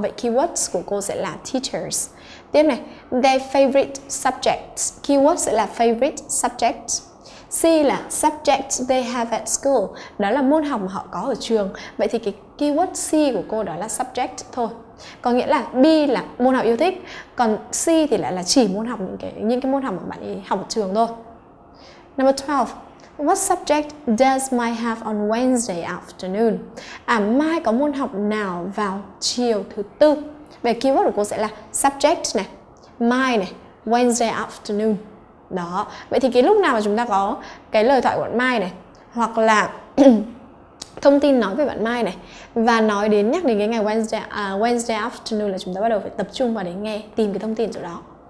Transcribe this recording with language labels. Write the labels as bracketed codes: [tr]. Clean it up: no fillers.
[vi] Vậy keywords của cô sẽ là teachers. Tiếp này, [en] their favorite subjects, [vi] keyword sẽ là favorite subjects. C là [en] subjects they have at school, [vi] đó là môn học mà họ có ở trường. Vậy thì cái keyword C của cô đó là subject thôi. Có nghĩa là B là môn học yêu thích, còn C thì lại là chỉ môn học, những cái môn học mà bạn ấy học ở trường thôi. [en] Number 12, what subject does Mai have on Wednesday afternoon? [vi] À, Mai có môn học nào vào chiều thứ tư? Về keyword của cô sẽ là subject này, Mai này, Wednesday afternoon. Đó. Vậy thì cái lúc nào mà chúng ta có cái lời thoại của bạn Mai này, hoặc là thông tin nói về bạn Mai này, và nói đến, nhắc đến cái ngày Wednesday afternoon, là chúng ta bắt đầu phải tập trung vào để nghe, tìm cái thông tin chỗ đó.